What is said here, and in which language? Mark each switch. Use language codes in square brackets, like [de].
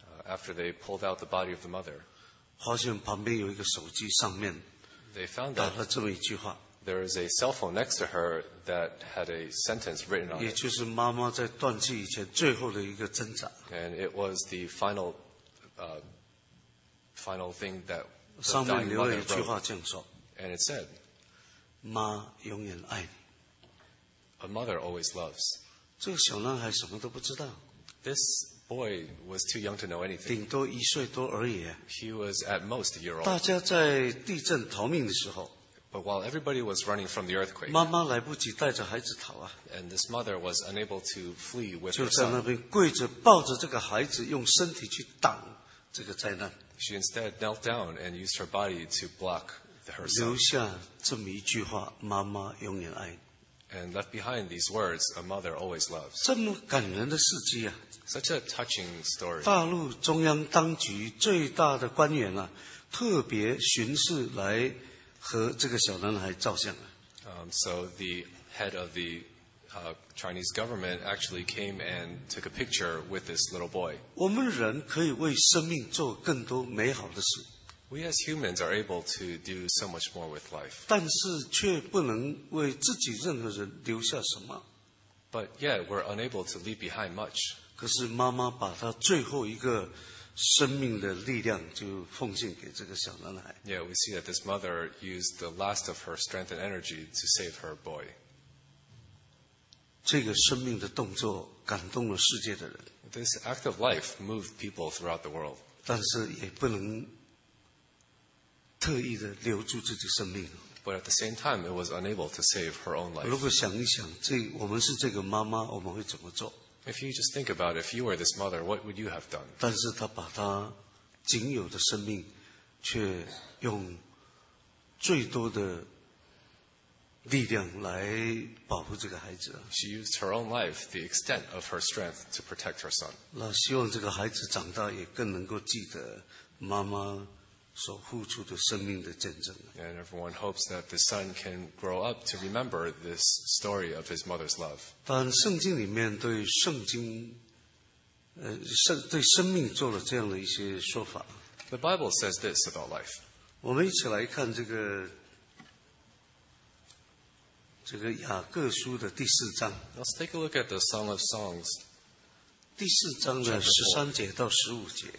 [en] After they pulled out the body of the mother. [zh] 发现旁边有一个手机上面。 [en] They found that there is a cell phone next to her that had a sentence written on it. [zh] 也就是妈妈在断气以前最后的一个挣扎。 [en] And it was the final, thing that the dying mother wrote. [zh] 上面留了一句话这样说。 [en] And it said, [zh] 妈永远爱你。 [en] A mother always loves. [zh] 这个小男孩什么都不知道。 [en] This boy was too young to know anything. [zh] 顶多一岁多而已。 [en] He was at most a year old. [zh] 大家在地震逃命的时候。 [en] But while everybody was running from the earthquake. [zh] 妈妈来不及带着孩子逃啊。 [en] And this mother was unable to flee with her son. [zh] 就在那边跪着抱着这个孩子用身体去挡这个灾难。 [en] She instead knelt down and used her body to block her son. [zh] 留下这么一句话，妈妈永远爱你。 [en] And left behind these words, a mother always loves. [zh] 这么感人的事迹啊。 [en] Such a touching story. [zh] 大陆中央当局最大的官员啊，特别巡视来和这个小男孩照相啊。 [en] So the head of the Chinese government actually came and took a picture with this little boy. [zh] 我们人可以为生命做更多美好的事。 [en] We as humans are able to do so much more with life. [zh] 但是却不能为自己任何人留下什么。 [en] But yet, we're unable to leave behind much. [zh] 可是妈妈把她最后一个生命的力量就奉献给这个小男孩。 [en] Yeah, we see that this mother used the last of her strength and energy to save her boy. [zh] 这个生命的动作感动了世界的人。 [en] This act of life moved people throughout the world. [zh] 但是也不能特意的留住自己生命。 [en] But at the same time, it was unable to save her own life. [zh] 如果想一想，这我们是这个妈妈，我们会怎么做？ [en] If you just think about it, if you were this mother, what would you have done? [zh] 但是她把她仅有的生命，却用最多的力量来保护这个孩子。 [en] She used her own life, the extent of her strength, to protect her son. [zh] 那希望这个孩子长大也更能够记得妈妈所付出的生命的见证。 [en] And everyone hopes that the son can grow up to remember this story of his mother's love. [zh] 但圣经里面对圣经，对生命做了这样的一些说法。 [en] The Bible says this about life. [zh] 我们一起来看这个雅各书的第四章。 [en] Let's take a look at the Song of Songs. [zh] 第四章的十三节到十五节。